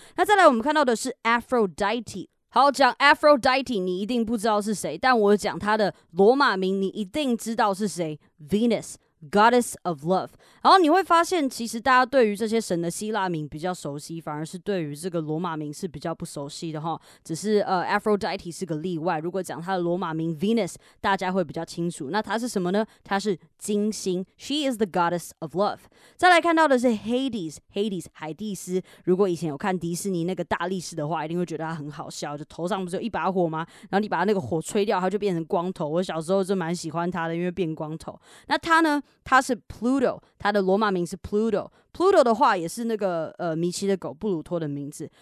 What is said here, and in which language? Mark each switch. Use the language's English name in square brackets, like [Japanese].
[Chinese] 那再来我们看到的是 Aphrodite。好，讲 Aphrodite 你一定不知道是谁，但我讲他的罗马名你一定知道是谁， Venus。 [English] Goddess of Love， [Chinese] 然后你会发现，其实大家对于这些神的希腊名比较熟悉，反而是对于这个罗马名是比较不熟悉的哈。只是Aphrodite 是个例外。如果讲他的罗马名 Venus， 大家会比较清楚。那他是什么呢？他是金星 ， [English] She is the Goddess of Love。 [Chinese] 再来看到的是 Hades， 海蒂斯。如果以前有看迪士尼那个大力士的话，一定会觉得他很好笑，就头上不是有一把火吗？然后你把那个火吹掉，他就变成光头。我小时候就蛮喜欢他的，因为变光头。那他呢？他是 Pluto， 他的罗马名是 Pluto。Pluto 的话也是那个迷奇的狗布鲁托的名字。